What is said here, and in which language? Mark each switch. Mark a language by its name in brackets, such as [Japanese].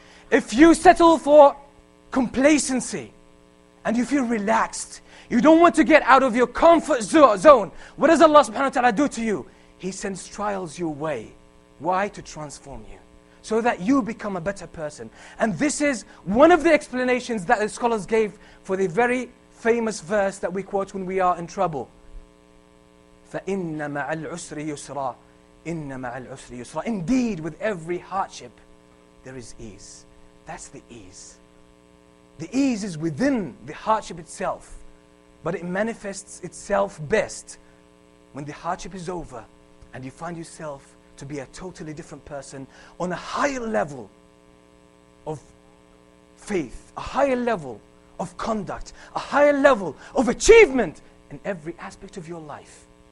[English] If you settle for complacency and you feel relaxed, you don't want to get out of your comfort zone, what does Allah subhanahu wa ta'ala do to you? He sends trials your way. Why? To transform you. So that you become a better person. And this is one of the explanations that the scholars gave for the very famous verse that we quote when we are in trouble. [Arabic] فَإِنَّ مَعَ الْعُسْرِ يُسْرَى إِنَّ مَعَ الْعُسْرِ يُسْرَى [English] Indeed, with every hardship, there is ease. That's the ease. The ease is within the hardship itself. But it manifests itself best when the hardship is over and you find yourself to be a totally different person on a higher level of faith, a higher level of conduct, a higher level of achievement in every aspect of your life.